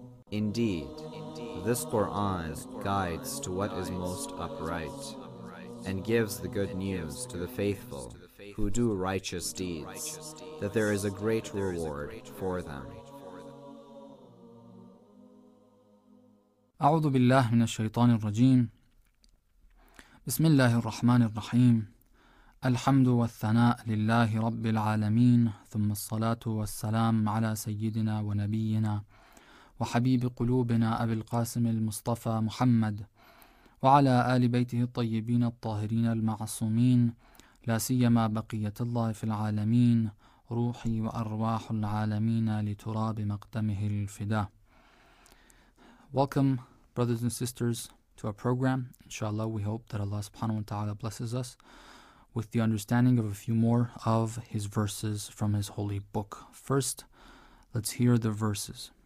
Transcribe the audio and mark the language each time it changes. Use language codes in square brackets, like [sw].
[en] Indeed, this Quran guides to what is most upright and gives the good news to the faithful who do righteous deeds, that there is a great reward for them. [ar] أعوذ بالله من الشيطان الرجيم بسم الله الرحمن الرحيم الحمد والثناء لله رب العالمين ثم الصلاة والسلام على سيدنا ونبينا وحبيب قلوبنا أبي القاسم المصطفى محمد وعلى آل بيته الطيبين الطاهرين المعصومين لا سيما بقية الله في العالمين روحي وأرواح العالمين لتراب مقدمه الفداء. [en] Welcome, brothers and sisters, to our program. Inshallah, we hope that Allah subhanahu wa ta'ala blesses us with the understanding of a few more of His verses from His holy book. First, let's hear the verses.